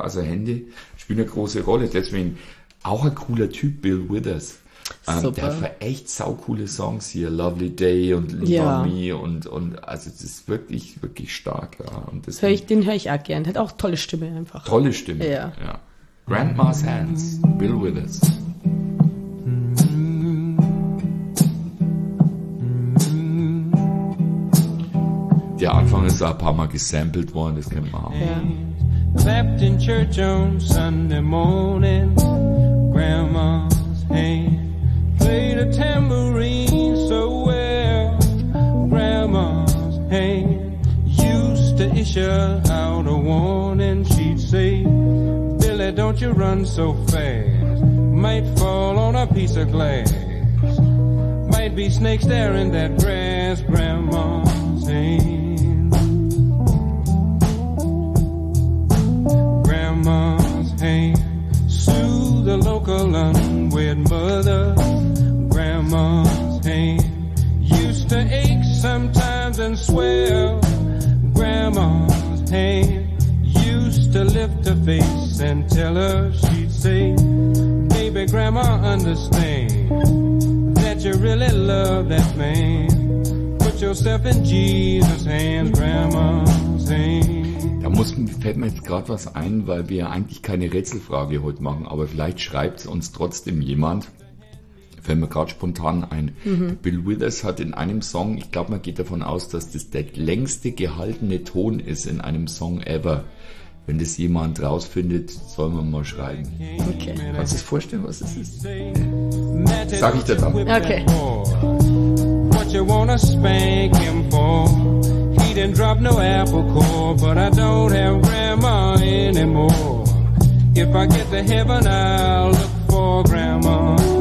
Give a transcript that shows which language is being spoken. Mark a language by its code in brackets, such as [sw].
[de] Also Hände spielen eine große Rolle. Deswegen auch ein cooler Typ, Bill Withers. Super. Der hat für echt saucoole Songs hier, Lovely Day und Love Me und also das ist wirklich, wirklich stark. Ja. Und das höre ich auch gern. Hat auch tolle Stimme einfach. Tolle Stimme. Ja. Ja. Grandma's Hands, Bill Withers. Der Anfang ist ein paar Mal gesampelt worden, das kennt man auch. Ja. [en] Clapped in church on Sunday morning, Grandma's Hands. Played a tambourine so well, Grandma's hand used to issue out a warning. She'd say, Billy, don't you run so fast, might fall on a piece of glass, might be snakes there in that grass, Grandma's hand. Grandma's hand soothed the local unwed mother. Grandma's hand used to ache sometimes and swell. Grandma's hand used to lift her face and tell her, she'd say, baby, Grandma, understand that you really love that man. Put yourself in Jesus' hands, Grandma's hand. [de] Da fällt mir jetzt gerade was ein, weil wir eigentlich keine Rätselfrage heute machen, aber vielleicht schreibt uns trotzdem jemand. Fällt mir gerade spontan ein. Mhm. Bill Withers hat in einem Song, ich glaube, man geht davon aus, dass das der längste gehaltene Ton ist in einem Song ever. Wenn das jemand rausfindet, soll man mal schreiben. Okay. Kannst du dir vorstellen, was das ist? Sag ich dir dann. Okay. [en] What you wanna spank him for? He didn't drop no apple core, but I don't have grandma anymore. If I get to heaven, I'll look for grandma.